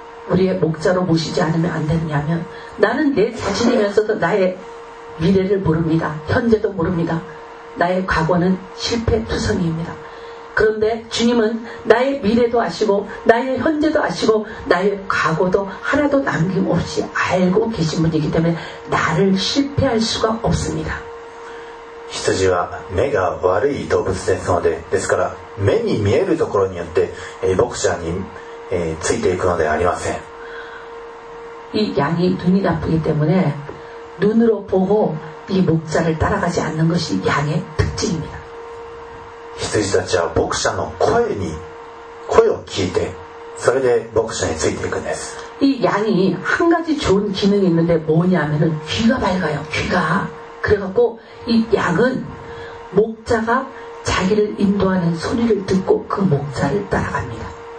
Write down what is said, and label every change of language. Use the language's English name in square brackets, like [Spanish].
[Korean] 왜우리가주님을우리의목자로모시지않으면안되느냐하면나는내자신이면서도나의미래를모릅니다현재도모릅니다나의과거는실패투성이입니다그런데주님은나의미래도아시고나의현재도아시고나의과거도하나도남김없이알고계신분이기때문에나를실패할수가없습니다 [Japanese] 羊は目が悪い動物ですので、ですから目に見えるところによって牧者にについていくのではありません [Korean] 이양이눈이나쁘기때문에눈으로보고이목자를따라가지않는것이양의특징입니다 [Japanese] 羊たちは牧者の声を聞いてそれで牧者についていくんです [Korean] 이양이한가지좋은기능이있는데뭐냐면은귀가밝아요귀가그래갖고이양은목자가자기를인도하는소리를듣고그목자를따라갑니다